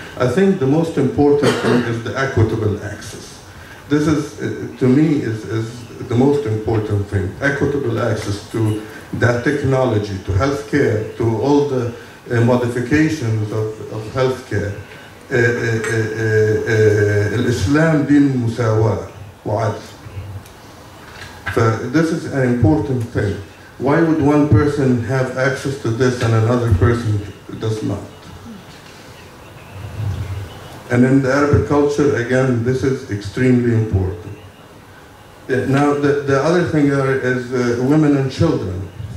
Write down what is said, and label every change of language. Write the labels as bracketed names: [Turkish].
[English] I think the most important thing is the equitable access. This is, to me, is the most important thing, equitable access to that technology, to healthcare, to all the modifications of healthcare. [Arabic] الإسلام دين مساواة وعدل. [English] This is an important thing. Why would one person have access to this and another person does not? And in the Arabic culture, again, this is extremely important. Now, the other thing is women and children.